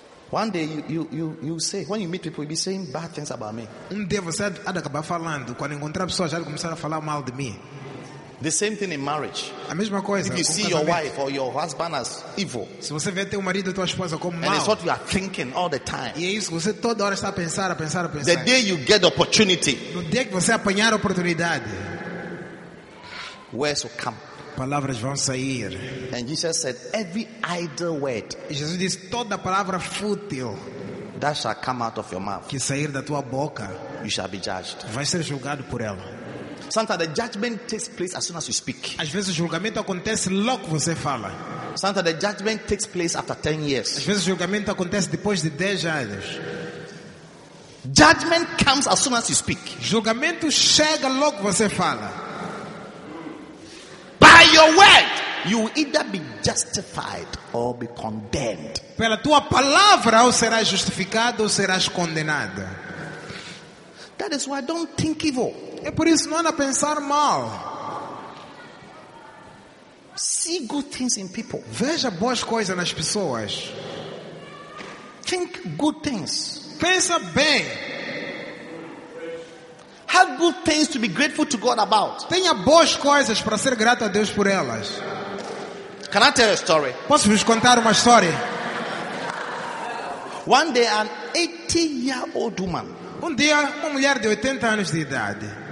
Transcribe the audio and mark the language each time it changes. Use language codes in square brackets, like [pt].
[en] One day you say, when you meet people, you'll be saying bad things about me. [pt] Um dia você há de acabar falando. Quando encontrar pessoas, já começar a falar mal de mim. [en] The same thing in marriage. [pt] A mesma coisa. [en] If you see your wife or your husband as evil. [pt] Se você vê teu marido ou tua esposa como mal. [en] And it's what you are thinking all the time. [pt] E é isso que você toda hora está a pensar, a pensar, a pensar. [en] The day you get the opportunity. [pt] No dia que você apanhar a oportunidade. [en] Words will come. [pt] Palavras vão sair. [en] And Jesus said, every idle word. [pt] Jesus disse, toda palavra fútil. [en] That shall come out of your mouth. [pt] Que sair da tua boca. [en] You shall be judged. [pt] Vai ser julgado por ela. [en] Sometimes the judgment takes place as soon as you speak. [pt] Às vezes o julgamento acontece logo que você fala. [en] Sometimes the judgment takes place after 10 years. [pt] Às vezes o julgamento acontece depois de 10 anos. [en] Judgment comes as soon as you speak. [pt] Julgamento chega logo que você fala. [en] Your word, you will either be justified or be condemned. [pt] Pela tua palavra, ou serás justificado ou serás condenado. [en] That is why I don't think evil. [pt] É por isso não a pensar mal. [en] See good things in people. [pt] Veja boas coisas nas pessoas. [en] Think good things. [pt] Pensa bem. [en] Have good things to be grateful to God about. [pt] Tenha boas coisas para ser grato a Deus por elas. [en] Can I tell a story? [pt] Posso vos contar uma história? [en] One day an 80-year-old woman. [pt] Um dia uma mulher de 80 anos de idade.